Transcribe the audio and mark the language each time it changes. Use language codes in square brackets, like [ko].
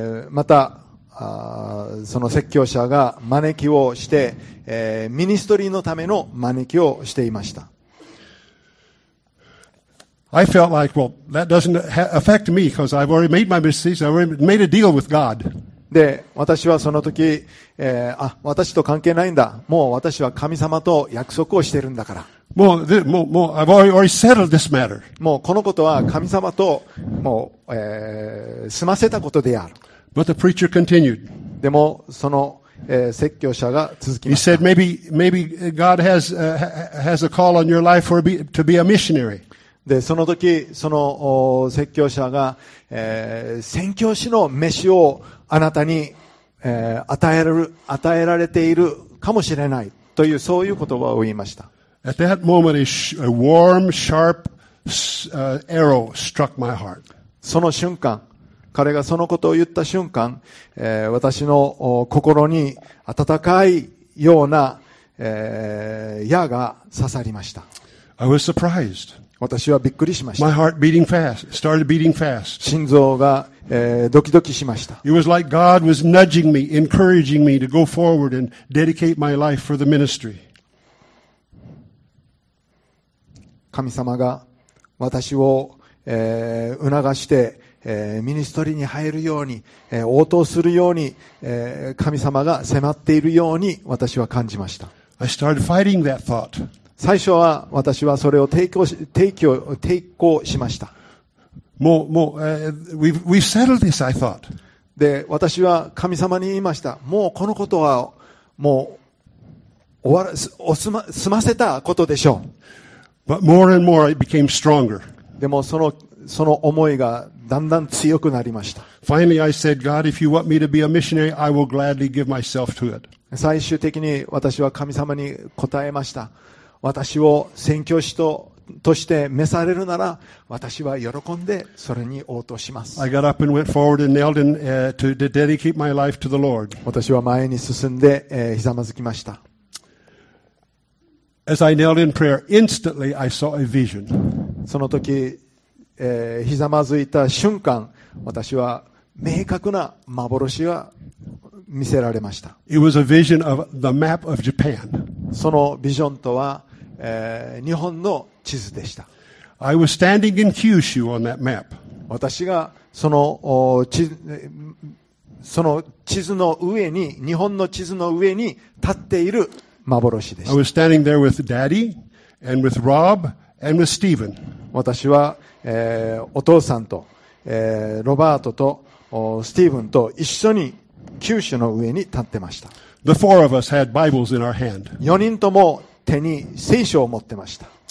[ja] またその説教者が招きをして、ミニストリーのための招きをしていました。 [en] I felt like, well, that doesn't affect me because I've already made my decision. I've already made a deal with God. [ja] で、私はその時、私と関係ないんだ。もう私は神様と約束をしているんだから。 [en] もう、I've already settled this matter. [ja] もうこのことは神様と、もう、済ませたことである。 [en] But the preacher continued. [ja] でもその、説教者が続きました。 [en] He said, maybe God has a call on your life for to be a missionary. [ja] でその時その説教者が、宣教師の召しをあなたに、与えられているかもしれないというそういう言葉を言いました。 [en] At that moment, a warm, sharp arrow struck my heart. [ja] その瞬間。彼がそのことを言った瞬間、私の心に温かいような、矢が刺さりました。 [en] I was surprised. [ja] 私はびっくりしました。 [en] My heart beating fast, started beating fast. [ja] 心臓が、ドキドキしました。 [en] It was like God was nudging me, encouraging me to go forward and dedicate my life for the ministry. [ja] 神様が私を、促して、ミニストリーに入るように、応答するように、神様が迫っているように私は感じました。 [en] I started fighting that thought. [ja] 最初は私はそれを抵抗しました。 [en] もう、we've settled this, I thought. [ja] で、私は神様に言いました。もうこのことはもう済ませたことでしょう。 [en] But more and more it became stronger. [ja] でもその思いがだんだん強くなりました。 [en] Finally, I said, God, if you want me to be a missionary, I will gladly give myself to it. [ja] 最終的に私は神様に答えました。私を宣教師として召されるなら、私は喜んでそれに応答します。 [en] I got up and went forward and knelt in, to dedicate my life to the Lord. [ja] 私は前に進んで、ひざまずきました。 [en] As I knelt in prayer, instantly I saw a vision. [ja] その時、ひざまずいた瞬間、私は明確な幻が見せられました。 [en] It was a vision of the map of Japan. [ja] そのビジョンとは、日本の地図でした。 [en] I was standing in Kyushu on that map. [ja] 私がその地図の上に、日本の地図の上に立っている幻でした。 [en] I was standing there with Daddy and with Rob and with Stephen. [ja] 私は、お父さんと、ロバートとスティーブンと一緒に九州の上に立ってました。 [en] The four of us had Bibles in our hand. [ja] 四人とも手に聖書を持ってました。